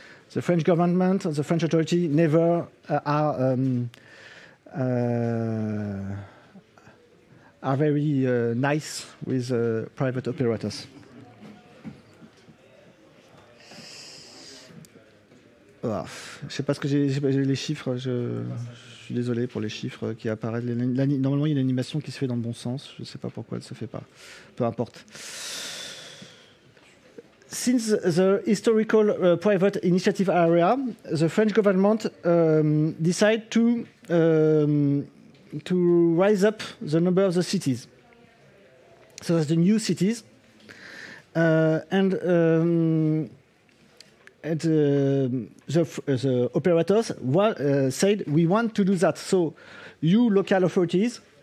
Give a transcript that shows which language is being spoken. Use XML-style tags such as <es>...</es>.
<en>The French government, the French authority, never are very nice with private operators.</en> <fr>Oh, je ne sais pas ce que j'ai les chiffres. Je suis désolé pour les chiffres qui apparaissent. Normalement, il y a une animation qui se fait dans le bon sens. Je ne sais pas pourquoi elle ne se fait pas. Peu importe.</fr> <en>Since the historical private initiative area, the French government decided to rise up the number of the cities. So that's the new cities. The operators said, we want to do that. So you local authorities,</en>